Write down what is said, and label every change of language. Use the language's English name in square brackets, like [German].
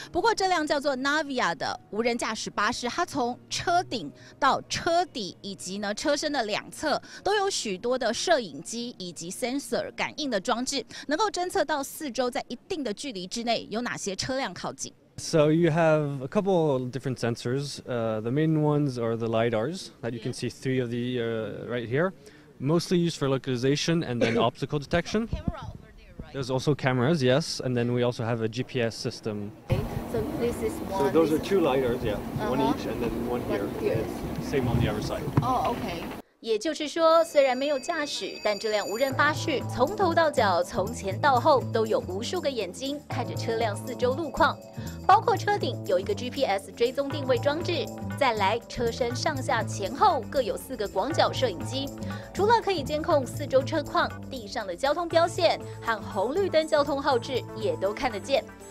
[Chinese] 不过这辆叫做 Navia 的无人驾驶巴士，它从车顶到车底以及呢车身的两侧都有许多的摄影机以及 sensor 感应的装置，能够侦测到四周在一定的距离之内有哪些车辆靠近。 [English] So you have a couple different sensors. The main ones are the LIDARs that you can see three of the right here. Mostly used for localization and then obstacle detection. Camera over there, right? There's also cameras, yes, and then we also have a GPS system. Okay, so this is one. So those are two LIDARs, yeah, one each, and then one here. Yes. Same on the other side. Oh, okay. [Chinese] 也就是说，虽然没有驾驶，但这辆无人巴士从头到脚，从前到后，都有无数个眼睛看着车辆四周路况，包括车顶有一个 GPS 追踪定位装置，再来车身上下前后各有四个广角摄影机，除了可以监控四周车况，地上的交通标线和红绿灯交通号志也都看得见。